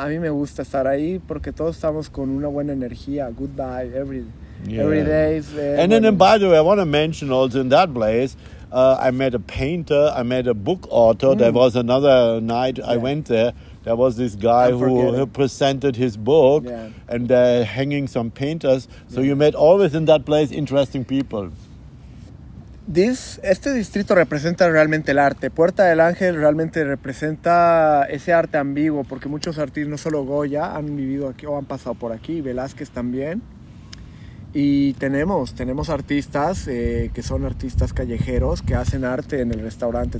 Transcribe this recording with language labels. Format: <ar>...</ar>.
<es>A mí me gusta estar ahí porque todos estamos con una buena energía.</es> <en>Good vibe every day. And by the way, I want to mention also in that place. I met a painter. I met a book author. Mm. There was another night I went there. There was this guy who presented his book and hanging some painters. So you met always in that place interesting people.</en> <es>Este distrito representa realmente el arte. Puerta del Ángel realmente representa ese arte ambiguo, porque muchos artistas, no solo Goya, han vivido aquí o han pasado por aquí. Velázquez también. Y tenemos artistas que son artistas callejeros que hacen arte en el restaurante.</es>